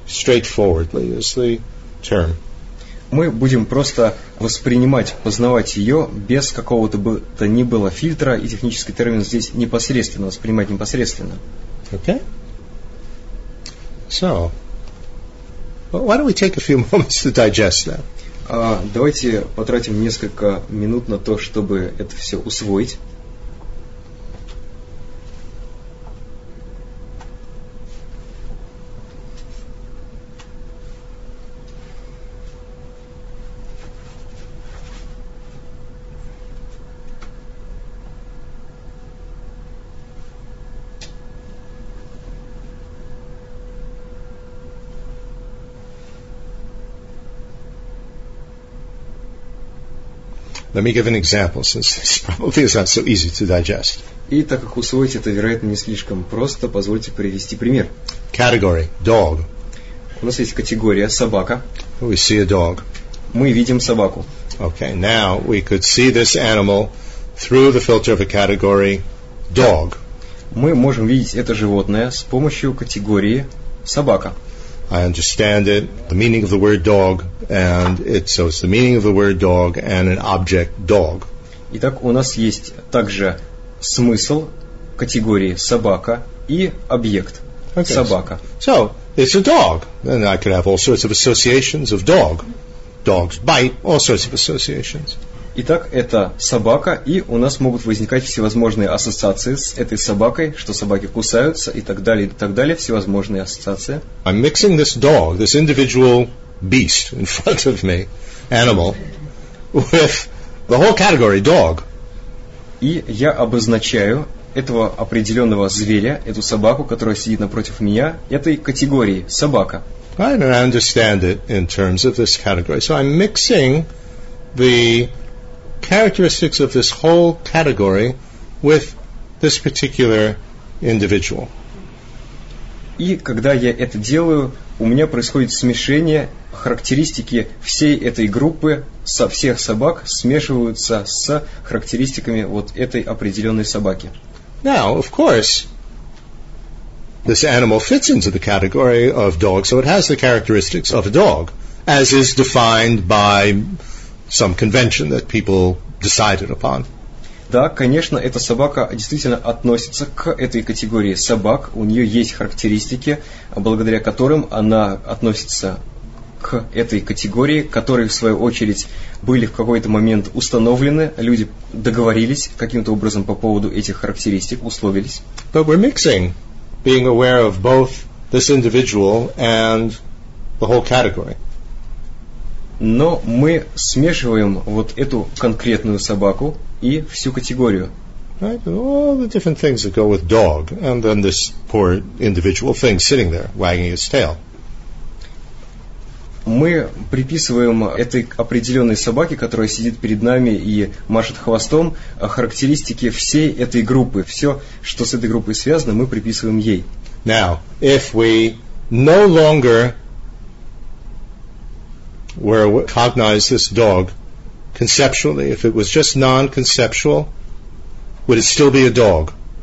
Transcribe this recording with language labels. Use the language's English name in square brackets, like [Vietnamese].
[English] Straightforwardly is the term. [Russian] Мы будем просто воспринимать, познавать ее без какого-то бы то ни было фильтра, и технический термин здесь непосредственно, воспринимать непосредственно. [English] Okay. So, why don't we take a few moments to digest that? [Russian] Давайте потратим несколько минут на то, чтобы это все усвоить. [English] Let me give an example, since this probably is not so easy to digest. [Russian] И так как усвоить это, вероятно, не слишком просто, позвольте привести пример. [English] Category: dog. [Russian] У нас есть категория собака. [English] We see a dog. [Russian] Мы видим собаку. [English] Okay, now we could see this animal through the filter of a category dog. [Russian] Мы можем видеть это животное с помощью категории собака. [English] I understand it, the meaning of the word dog, and it's, so it's the meaning of the word dog and an object dog. [Russian] Итак, у нас есть также смысл категории собака и объект [English] okay, [Russian] собака. [English] So, it's a dog. And I could have all sorts of associations of dog. Dogs bite, all sorts of associations. [Russian] Итак, это собака, и у нас могут возникать всевозможные ассоциации с этой собакой, что собаки кусаются и так далее, всевозможные ассоциации. [English] I'm mixing this dog, this individual beast in front of me, animal, with the whole category dog. [Russian] И я обозначаю этого определенного зверя, эту собаку, которая сидит напротив меня, этой категории собака. [English] I understand it in terms of this category. So I'm mixing the characteristics of this whole category with this particular individual. [Russian] И когда я это делаю, у меня происходит смешение характеристики всей этой группы со всех собак смешиваются с характеристиками вот этой определенной собаки. [English] Now, of course, this animal fits into the category of dog, so it has the characteristics of a dog, as is defined by some convention that people decided upon. [Russian] Да, конечно, эта собака действительно относится к этой категории собак. У нее есть характеристики, благодаря которым она относится к этой категории, которые, в свою очередь, были в какой-то момент установлены. Люди договорились каким-то образом по поводу этих характеристик, условились. [English] But we're mixing, being aware of both this individual and the whole category. [Russian] Но мы смешиваем вот эту конкретную собаку и всю категорию. [English] Right, all the different things that go with dog, and then this poor individual thing sitting there, wagging its tail. [Russian] Мы приписываем этой определенной собаке, которая сидит перед нами и машет хвостом, характеристики всей этой группы. Все, что с этой группой связано, мы приписываем ей. [English] Now, if we no longer were cognized this dog conceptually, if it was just non-conceptual, would it still be a dog?